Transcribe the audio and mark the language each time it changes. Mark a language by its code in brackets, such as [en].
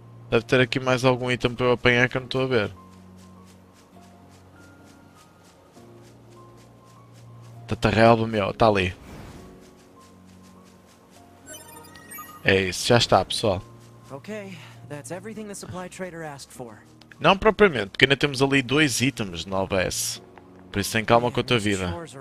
[pt] Deve ter aqui mais algum item para eu apanhar que eu não estou a ver. Tanta relva, meu, está ali. É isso, já está, pessoal. [en] Okay, that's everything the supply trader asked for. [pt] Não propriamente, porque ainda temos ali dois itens no OBS. Por isso, tem calma com a tua vida.